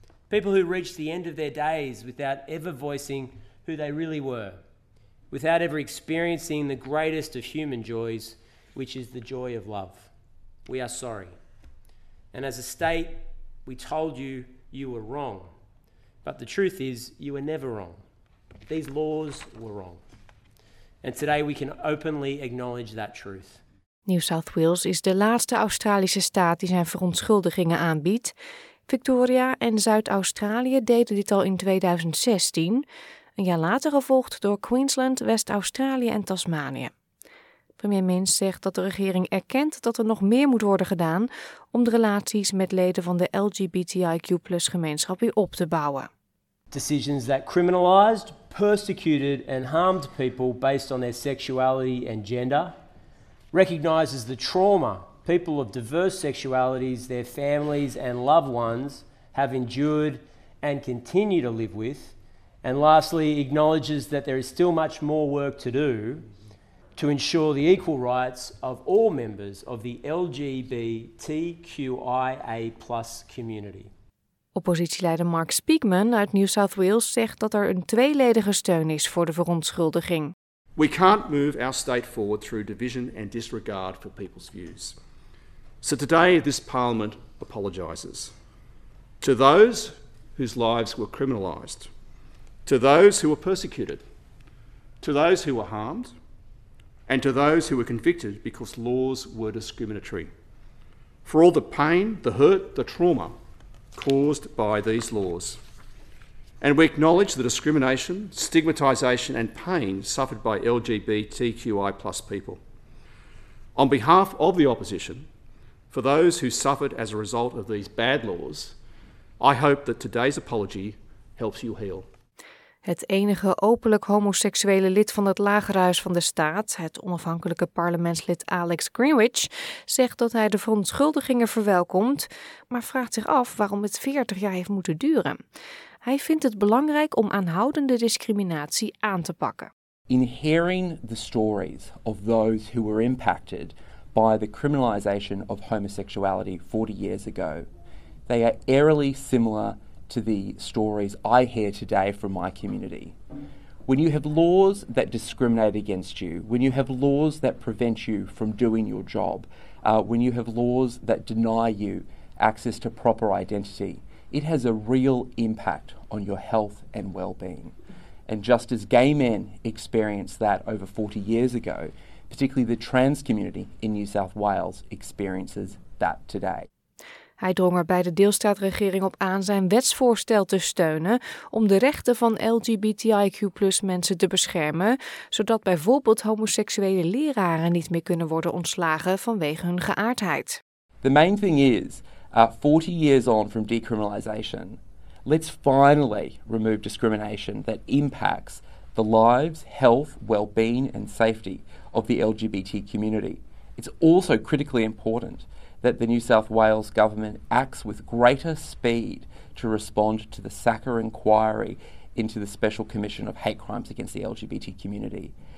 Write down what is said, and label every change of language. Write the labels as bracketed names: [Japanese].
[English] People who reached the end of their days without ever voicing who they really were, without ever experiencing the greatest of human joys, which is the joy of love. We are sorry. And as a state, we told you you were wrong. But the truth is, you were never wrong. These laws were wrong. And today we can openly acknowledge that truth. [Dutch] New South Wales is de laatste Australische staat die zijn verontschuldigingen aanbiedt. Victoria en Zuid-Australië deden dit al in 2016. Een jaar later gevolgd door Queensland, West-Australië en Tasmanië. Premier Minns zegt dat de regering erkent dat er nog meer moet worden gedaan om de relaties met leden van de LGBTIQ+ gemeenschap weer op te bouwen. [English] Decisions that criminalized, persecuted and harmed people based on their sexuality and gender recognizes the trauma people of diverse sexualities, their families and loved ones have endured and continue to live with, and lastly acknowledges that there is still much more work to do to ensure the equal rights of all members of the LGBTQIA+ community. [Dutch] Oppositieleider Mark Speakman uit New South Wales zegt dat er een tweeledige steun is voor de verontschuldiging. [English] We can't move our state forward through division and disregard for people's views. So today this parliament apologizes to those whose lives were criminalized, to those who were persecuted, to those who were harmed, and to those who were convicted because laws were discriminatory. For all the pain, the hurt, the trauma caused by these laws. And we acknowledge the discrimination, stigmatisation and pain suffered by LGBTQI plus people. On behalf of the opposition, for those who suffered as a result of these bad laws, I hope that today's apology helps you heal. [Dutch] Het enige openlijk homoseksuele lid van het Lagerhuis van de Staat, het onafhankelijke parlementslid Alex Greenwich, zegt dat hij de verontschuldigingen verwelkomt, maar vraagt zich af waarom het 40 jaar heeft moeten duren. Hij vindt het belangrijk om aanhoudende discriminatie aan te pakken. [English] In hearing the stories of those who were impacted by the criminalization of homosexuality 40 years ago, they are eerily similar to the stories I hear today from my community. When you have laws that discriminate against you, when you have laws that prevent you from doing your job, when you have laws that deny you access to proper identity, it has a real impact on your health and well-being. And just as gay men experienced that over 40 years ago, particularly the trans community in New South Wales experiences that today. [Dutch] Hij drong er bij de deelstaatregering op aan zijn wetsvoorstel te steunen om de rechten van LGBTIQ+ mensen te beschermen, zodat bijvoorbeeld homoseksuele leraren niet meer kunnen worden ontslagen vanwege hun geaardheid. [English] The main thing is, 40 years on from decriminalisation, let's finally remove discrimination that impacts the lives, health, well-being and safety of the LGBT community. It's also critically important that the New South Wales government acts with greater speed to respond to the SACA inquiry into the Special Commission of Hate Crimes Against the LGBT community.